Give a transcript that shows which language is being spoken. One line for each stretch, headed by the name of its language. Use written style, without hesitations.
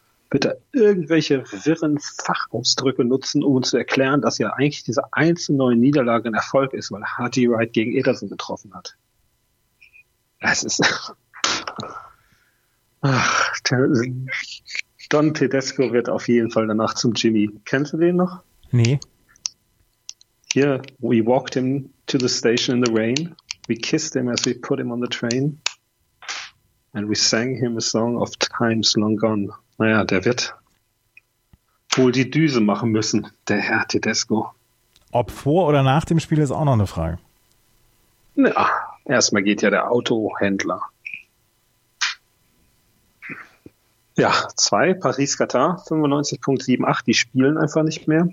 German: Wird er irgendwelche wirren Fachausdrücke nutzen, um uns zu erklären, dass ja eigentlich diese 1-9 Niederlage ein Erfolg ist, weil Hardy Wright gegen Ederson getroffen hat. Das ist... Ach, Don Tedesco wird auf jeden Fall danach zum Jimmy. Kennst du den noch? Nee. Hier,
English: we walked him to the station in the rain. We kissed him as we put him on the train. And we sang him a song of times long gone.
German: Naja, der wird wohl die Düse machen müssen, der Herr Tedesco. Ob vor oder nach dem Spiel ist auch noch eine Frage. Na, erstmal geht ja der Autohändler. Ja, 2, Paris-Katar, 95.78, die spielen einfach nicht mehr.